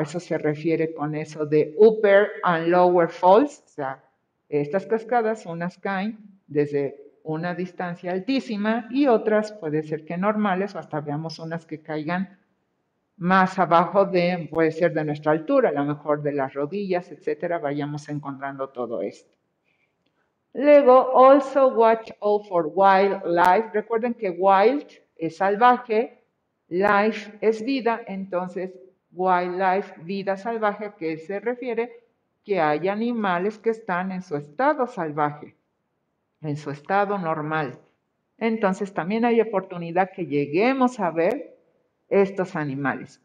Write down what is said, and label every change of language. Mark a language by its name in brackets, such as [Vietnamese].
[Spanish] Eso se refiere con eso de [English] upper and lower falls, [Spanish] o sea, estas cascadas, unas caen desde una distancia altísima y otras puede ser que normales, o hasta veamos unas que caigan más abajo de, puede ser de nuestra altura, a lo mejor de las rodillas, etcétera, vayamos encontrando todo esto. [English] Luego, also watch out for wildlife. [Spanish] Recuerden que wild es salvaje, life es vida, entonces wildlife, vida salvaje, que se refiere que hay animales que están en su estado salvaje, en su estado normal. Entonces, también hay oportunidad que lleguemos a ver estos animales.